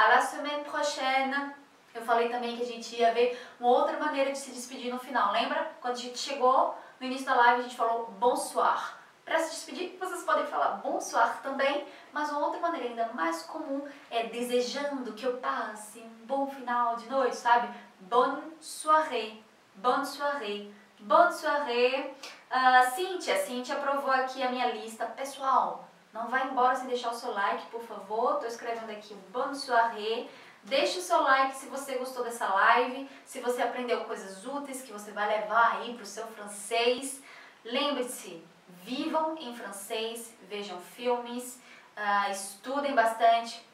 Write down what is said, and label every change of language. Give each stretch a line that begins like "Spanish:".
French: À la semaine prochaine!
Portuguese: Eu falei também que a gente ia ver uma outra maneira de se despedir no final, lembra? Quando a gente chegou no início da live, a gente falou bonsoir. Para se despedir, vocês podem falar bonsoir também, mas uma outra maneira ainda mais comum é desejando que eu passe um bom final de noite, sabe?
French: Bonne soirée, bonne soirée, bonne soirée.
Portuguese: Cíntia aprovou aqui a minha lista. Pessoal, não vai embora sem deixar o seu like, por favor. Tô escrevendo aqui bonne soirée. Deixa o seu like se você gostou dessa live, se você aprendeu coisas úteis que você vai levar aí pro seu francês. Lembre-se, vivam em francês, vejam filmes, estudem bastante.